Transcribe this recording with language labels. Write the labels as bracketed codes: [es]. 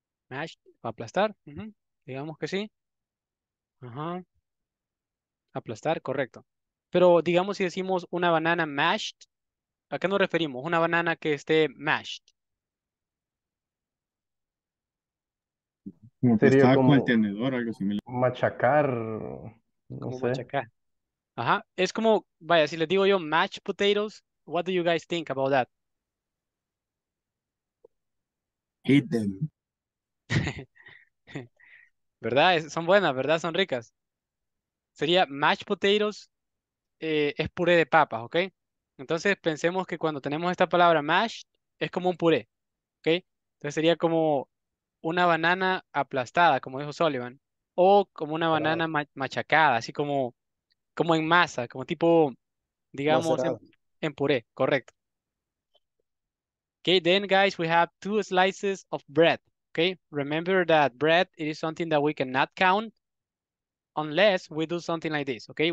[es] Mashed, aplastar, uh-huh. Digamos que sí. Uh-huh. Aplastar, correcto. Pero digamos si decimos una banana mashed, ¿a qué nos referimos? Una banana que esté mashed. Como que estaba con el tenedor, algo similar. Machacar. No como sé. Machacar. Ajá. Es como, vaya, si les digo yo [en] mashed potatoes, what do you guys think about that? Eat them. [es] ¿Verdad? Son buenas, ¿verdad? Son ricas. Sería mashed potatoes, es puré de papas, ¿ok? Entonces, pensemos que cuando tenemos esta palabra mash, es como un puré, ¿ok? Entonces, sería como una banana aplastada, como dijo Sullivan, o como una banana machacada, así como en masa, como tipo, digamos, en puré, correcto. [en] Okay, then, guys, we have two slices of bread, okay? Remember that bread is something that we cannot count unless we do something like this, okay?